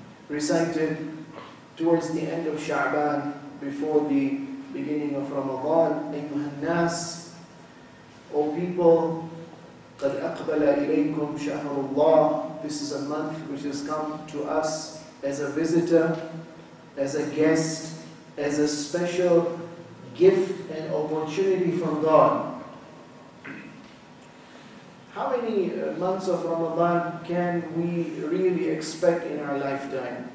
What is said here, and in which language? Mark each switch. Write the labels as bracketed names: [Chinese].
[English] recited towards the end of Sha'ban before the beginning of Ramadan. [Arabic] Ayyuha an-nas, [English] O people, [Arabic] قَدْ أَقْبَلَ إِلَيْكُمْ شَهْرُ اللَّهِ. [English] This is a month which has come to us as a visitor, as a guest, as a special gift and opportunity from God. How many months of Ramadan can we really expect in our lifetime?